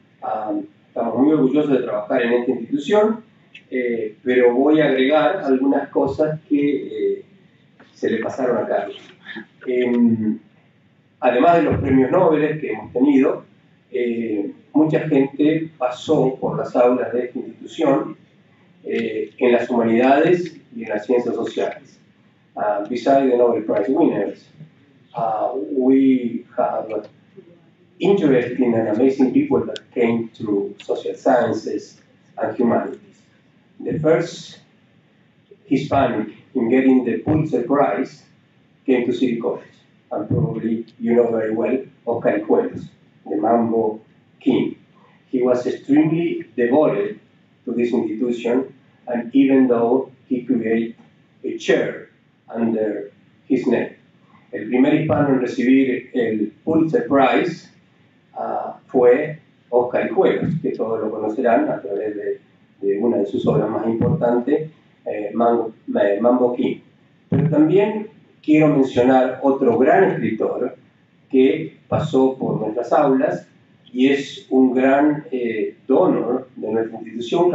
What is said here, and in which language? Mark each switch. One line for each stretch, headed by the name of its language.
Spanish: Estamos muy orgullosos de trabajar en esta institución, pero voy a agregar algunas cosas que se le pasaron a Carlos. Además de los premios Nobel que hemos tenido, mucha gente pasó por las aulas de esta institución en las humanidades y en las ciencias sociales.
English: Besides the Nobel Prize winners, we have interesting and amazing people that came through social sciences and humanities. The first Hispanic in getting the Pulitzer Prize came to City College, and probably you know very well, Oscar Cuellos, the Mambo King. He was extremely devoted to this institution, and even though he created a chair under his name.
Spanish: El primer hispano en recibir el Pulitzer Prize fue Oscar Cuellos, que todos lo conocerán a través de una de sus obras más importantes, Mambo King. Pero también quiero mencionar otro gran escritor que pasó por nuestras aulas y es un gran donor de nuestra institución.